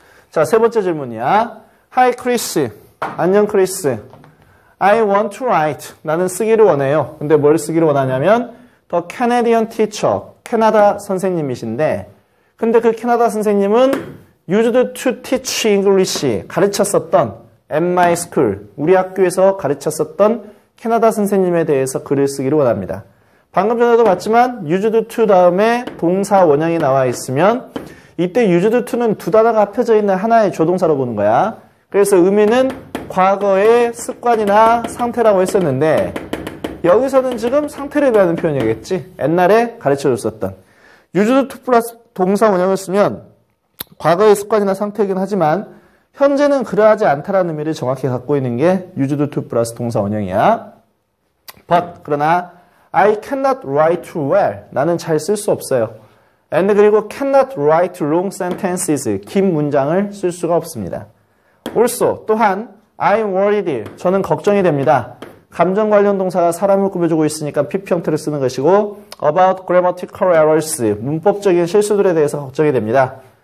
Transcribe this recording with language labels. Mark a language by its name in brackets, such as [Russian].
[Korean] 자, 세 번째 질문이야. [English] Hi, Chris. [Korean] 안녕, Chris. [English] I want to write. [Korean] 나는 쓰기를 원해요. 근데 뭘 쓰기를 원하냐면 [English] The Canadian teacher. [Korean] 캐나다 선생님이신데 근데 그 캐나다 선생님은 [English] used to teach English. [Korean] 가르쳤었던 [English] at my school. [Korean] 우리 학교에서 가르쳤었던 캐나다 선생님에 대해서 글을 쓰기를 원합니다. 방금 전에도 봤지만 used to 다음에 동사 원형이 나와 있으면 이때 used to는 두 단어가 합쳐져 있는 하나의 조동사로 보는 거야. 그래서 의미는 과거의 습관이나 상태라고 했었는데 여기서는 지금 상태를 배우는 표현이겠지. 옛날에 가르쳐줬었던. used to 플러스 동사 원형을 쓰면 과거의 습관이나 상태이긴 하지만 현재는 그러하지 않다라는 의미를 정확히 갖고 있는 게 used to 플러스 동사 원형이야. [English] But, [Korean] 그러나 [English] I cannot write well. [Korean] 나는 잘 쓸 수 없어요. [English] And [Korean] 그리고 [English] cannot write long sentences. [Korean] 긴 문장을 쓸 수가 없습니다. [English] Also, [Korean] 또한 [English] I'm worried. [Korean] 저는 걱정이 됩니다. 감정 관련 동사가 사람을 꾸며주고 있으니까 PP 형태를 쓰는 것이고 [English] about grammatical errors, [Korean] 문법적인 실수들에 대해서 걱정이 됩니다.